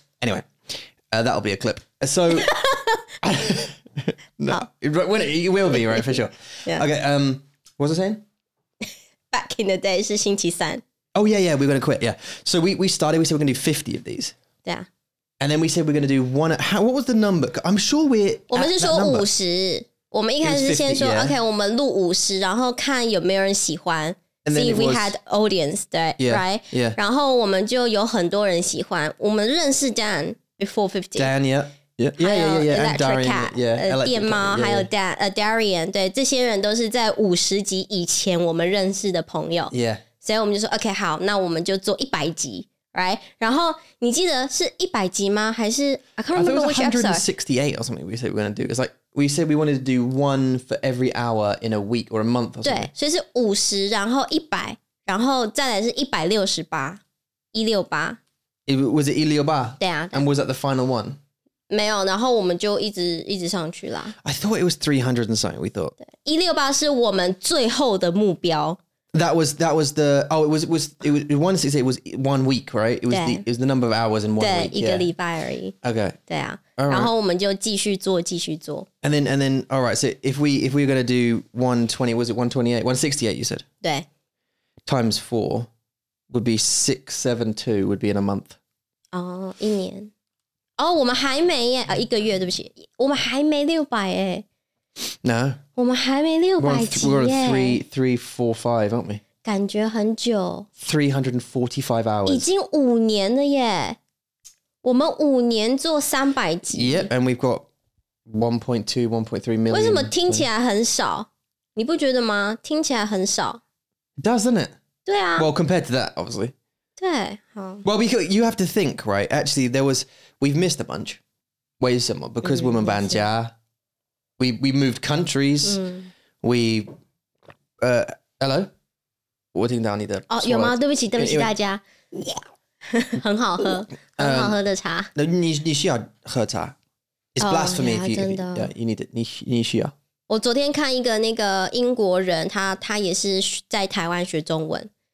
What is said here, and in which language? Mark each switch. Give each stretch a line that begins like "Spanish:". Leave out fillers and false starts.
English: Anyway, that'll be a clip. So, no, it will be, right, for sure. Yeah. Okay, what was I saying? Back in the day,
Chinese: 是星期三。
English: Oh, yeah, yeah, we're going to quit, yeah. So we started, we said we're going to do 50 of these. Yeah. And then we said we're going to do one. What was the number? I'm sure we're at that number.
Chinese: 我们是说 50. 我们一开始是先说 50,、yeah.
English: OK,
Chinese: 我们录 50, 然后看有没有人喜欢
English: and See then we was, had audience, right? Yeah, yeah.
Chinese: 然后我们就有很多人喜欢我们认识 Dan
English: before
Chinese: 50.
English: Dan, yeah. Yeah, yeah, yeah, yeah. And Darian, cat, yeah,
Chinese: 电猫还有 Dan, Darian, 对，这些人都是在五十集以前我们认识的朋友。
English: Yeah,
Chinese: 所以我们就说 ，
English: OK,
Chinese: 好，那我们就做一百集 ，
English: right?
Chinese: 然后你记得是一百集吗？还是
English: I can't remember which episode. I thought it was 168 or something. We said we're going to do. It's like we said we wanted to do one for every hour in a week or a month. Or something.
Chinese: 对，所以是五十，然后一百，然后再来是一百六十八，一六八。
English: Was it 168?
Chinese: 对啊。
English: And was that the final one?
Chinese: 没有，然后我们就一直上去啦。
English: I thought it was 300 and something. We thought
Chinese: 168是我们最后的目标。
English: That was the oh it was one six eight was one week right? It was the number of hours in one
Chinese: 对,
English: week.
Chinese: 对，一个礼拜而已。
English: Okay.
Chinese: 对啊。
English: Right.
Chinese: 然后我们就继续做，继续做。
English: And then all right. So if we're gonna do 120, was it 128? 168 you said?
Chinese: 对。
English: Times 4 would be 672 would be in a month.
Chinese: 哦，一年。哦、
English: oh,
Chinese: ，我们还没耶！一个月，对不起，我们还没六百耶。
English: No，
Chinese: 我们还没六百集耶。
English: We're on three, four, five, aren't we？
Chinese: 感觉很久。
English: 345 hours，
Chinese: 已经五年了耶！我们五年做三百集。
English: Yep， and we've got 1.2, 1.3 million。
Chinese: 为什么听起来很少？你不觉得吗？听起来很少。
English: Doesn't it？
Chinese: 对啊。
English: Well, compared to that, obviously。 Well, because you have to think, right? Actually, there was, we've missed a bunch. Why is it? Because we're in Banjia. We moved countries. We, hello? What did you need? Oh, your mom,
Chinese: 对不起大家.
English: Yeah.
Chinese: 很好喝的茶.
English: No,
Chinese: 你需要喝茶.
English: It's blasphemy if you, yeah, you need it.
Chinese: 你需要. 我昨天看一个那个英国人, 他也是在台湾学中文。